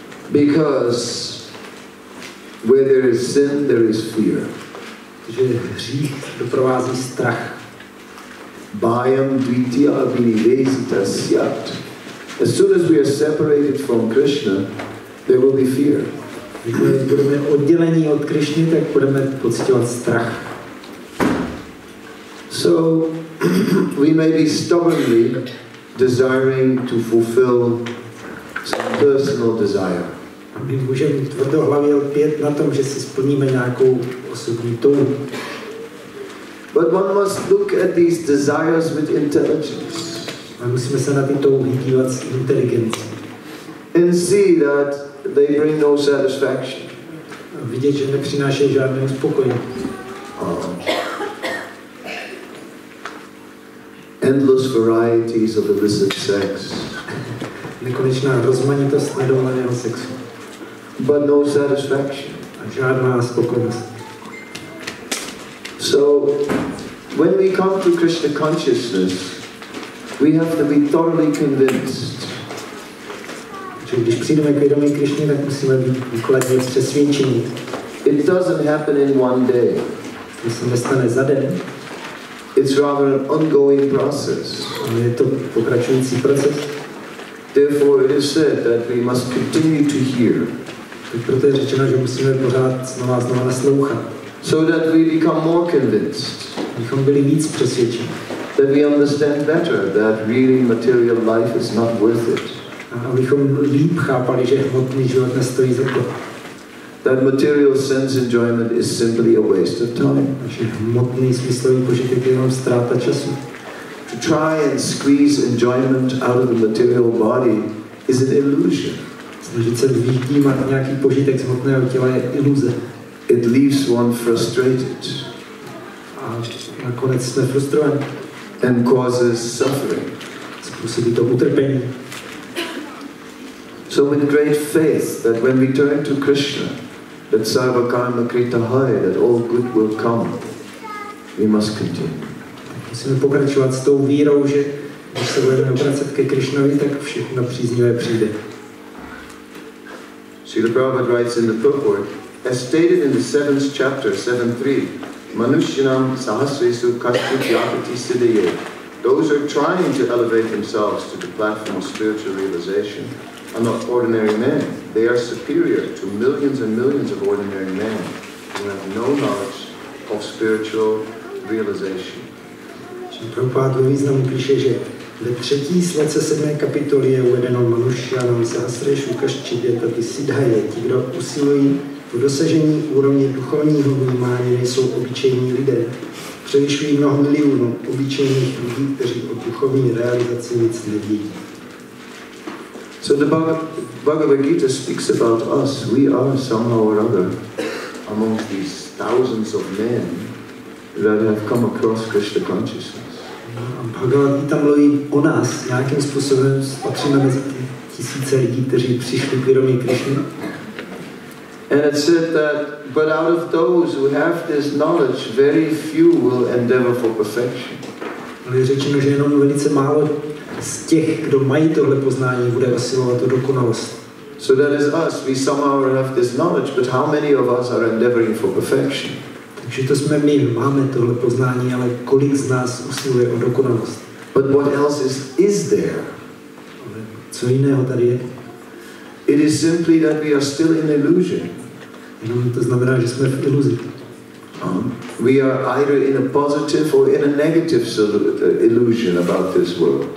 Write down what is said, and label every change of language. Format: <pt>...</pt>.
<en>Because where there is sin, there is fear.</en> <cs>Že hřích doprovází strach.</cs> <sa>Bhayam dvitiya abhinivesitasyat.</sa> <en>As soon as we are separated from Krishna, there will be fear.</en> <cs>Když budeme odděleni od Krishny, tak budeme pocitovat strach.</cs> <en>So we may be stubbornly desiring to fulfill some personal desire.</en> <cs>My můžeme tvrdohlavě lpět na tom, že si splníme nějakou osobní touhu.</cs> <en>But one must look at these desires with intelligence.</en> <cs>A musíme se na ty touhy dívat s inteligencí.</cs> <en>And see that they bring no satisfaction.</en> <cs>A vidět, že nepřináší žádné uspokojení.</cs> <en>Endless varieties of illicit sex.</en> <cs>Nekonečná rozmanitost nedovoleného sexu.</cs> <en>But no satisfaction.</en> <cs>A žádná spokojenost.</cs> <en>So when we come to Krishna consciousness, we have to be thoroughly convinced.</en> <cs>Když přijdeme k vědomí Krishny, tak musíme být důkladně přesvědčení.</cs> <en>It doesn't happen in one day.</en> <cs>To se nestane za den.</cs> <en>It's rather an ongoing process.</en> <cs>Je to pokračující proces.</cs> <en>Therefore, it is said that we must continue to hear.</en> <cs>Proto je řečeno, že musíme pořád znova a znova naslouchat.</cs> <en>So that we become more convinced.</en> <cs>Abychom byli víc přesvědčeni.</cs> <en>That we understand better that really material life is not worth it.</en> <cs>Abychom líp chápali, že hmotný život nestojí za to.</cs> <en>That material sense enjoyment is simply a waste of time.</en> <cs>Že hmotný smyslový požitek je jenom ztráta času.</cs> <en>To try and squeeze enjoyment out of the material body is an illusion.</en> <cs>Snažit se vyjímat nějaký požitek z hmotného těla je iluze.</cs> <en>It leaves one frustrated.</en> <cs>Nakonec jsme frustrovaní.</cs> <en>And causes suffering.</en> <cs>Způsobí to utrpení.</cs> <en>So with great faith that when we turn to Krishna, that</en> <sa>sarva karma krita hai,</sa> <en>that all good will come, we must continue.</en> <cs>Musíme pokračovat s tou vírou, že když se budeme obracet ke Krishnovi, tak všechno příznivé přijde.</cs> <en>Srila Prabhupada writes in the purport, as stated in the 7th chapter, 7.3,</en> <sa>Manushyanam sahasresu kaschit yapati siddhaye.</sa> <en>Those who are trying to elevate themselves to the platform of spiritual realization are not ordinary men. They are superior to millions and millions of ordinary men who have no knowledge of spiritual realization.</en> <cs>Prabhupada ve významu píše, že ve 3. slece 7. kapitoly je uvedeno</cs> <sa>Manushyanam sahasresu kaschit yapati siddhaye.</sa> <cs>Ti, kdo usilují po dosažení úrovně duchovního vnímání nejsou obyčejní lidé. Převyšují mnoho milionů obyčejných lidí, kteří o duchovní realizaci nic nevědí.</cs> <en>So the Bhagavad Gita speaks about us. We are somehow or other among these thousands of men that have come across Krishna consciousness.</en> <cs>A Bhagavad Gita mluví o nás, nějakým způsobem spatříme mezi ty tisíce lidí, kteří přišli k vědomí Krishna.</cs> <en>And it said that, but out of those who have this knowledge, very few will endeavor for perfection.</en> <cs>Ale je řečeno, že jenom velice málo z těch, kdo mají tohle poznání, bude usilovat o dokonalost.</cs> <en>So that is us. We somehow have this knowledge, but how many of us are endeavoring for perfection?</en> <cs>Takže to jsme my, máme tohle poznání, ale kolik z nás usiluje o dokonalost?</cs> <en>But what else is there?</en> <cs>Co jiného tady je?</cs> <en>It is simply that we are still in illusion.</en> <cs>Jenom to znamená, že jsme v iluzi.</cs> <en>We are either in a positive or in a negative illusion about this world.</en>